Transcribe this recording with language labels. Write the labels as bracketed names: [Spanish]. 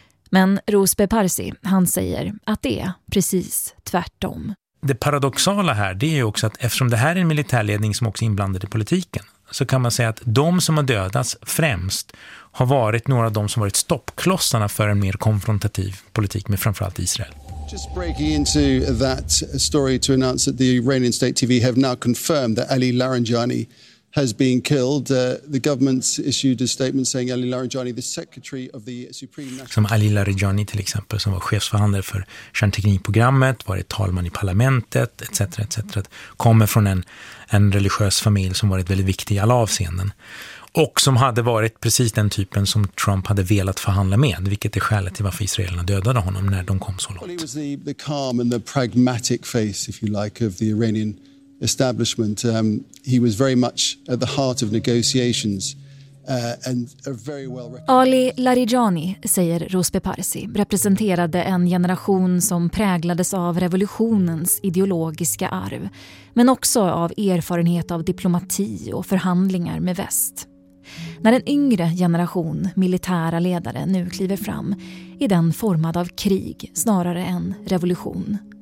[Swedish] Men Rose Beparsi, han säger att det är precis tvärtom. Det paradoxala här det är ju också att eftersom det här är en militärledning som också är inblandad i politiken så kan man säga att de som har dödats främst har varit några av de som varit stoppklossarna för en mer konfrontativ politik med framförallt Israel. [English] Just breaking into that story to announce that the Iranian state TV have now confirmed that Ali Larijani has been killed. The government issued a statement saying Ali Larijani, the secretary of the Supreme National... [Swedish] Som Ali Larijani till exempel, som var chefsförhandlare för kärnteknikprogrammet, varit talman i parlamentet, etc. etc. kommer från en religiös familj som varit väldigt viktig i alla avseenden. Och som hade varit precis den typen som Trump hade velat förhandla med, vilket är skälet till varför israelerna dödade honom när de kom så långt. [English] Well, he was the calm and the pragmatic face, if you like, of the Iranian establishment. He was very much at the heart of negotiations. [Swedish] Ali Larijani, säger Rospe Parsi, representerade en generation som präglades av revolutionens ideologiska arv, men också av erfarenhet av diplomati och förhandlingar med väst. När en yngre generation militära ledare nu kliver fram är den formad av krig snarare än revolution.